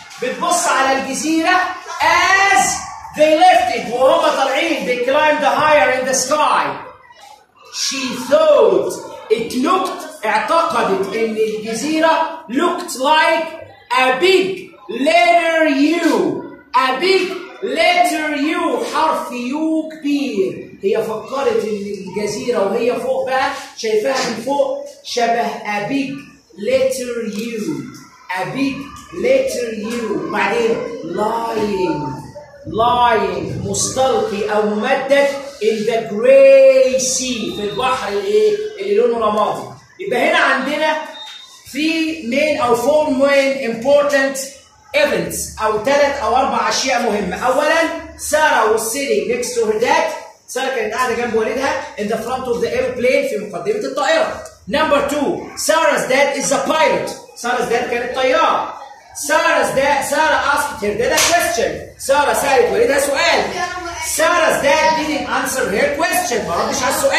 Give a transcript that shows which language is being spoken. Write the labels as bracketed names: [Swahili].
[Arabic] بتبص على الجزيرة. [English] As they lifted. [Arabic] وهم طالعين. [English] They climbed higher in the sky. She thought it looked, [Arabic] اعتقدت ان الجزيرة [English] looked like a big letter U. A big letter U. [Arabic] حرف U كبير. هي فكرت ان الجزيرة وهي فوق بقى شايفها من فوق شبه [English] a big letter U. A big letter U. [Arabic] بعدين [English] lying. Lying. [Arabic] مستلقي او ممدد. [English] In the gray sea. [Arabic] في البحر اللي لونه رمادي. يبقى هنا عندنا [English] three main or four main important events [Arabic] او ثلاث او اربع اشياء مهمة. اولا [English] Sarah was sitting next to her dad. [Arabic] Sarah كانت قاعدة جنب والدها [English] in the front of the airplane [Arabic] في مقدمة الطائرة. [English] Number two, Sarah's dad is a pilot. [Arabic] Sarah's dad كانت طيار. [English] Sarah's dad, Sarah asked her dad a question. [Arabic] Sarah سألت والدها سؤال. [English] Sarah's dad didn't answer her question. [Arabic] ما ردش على السؤال.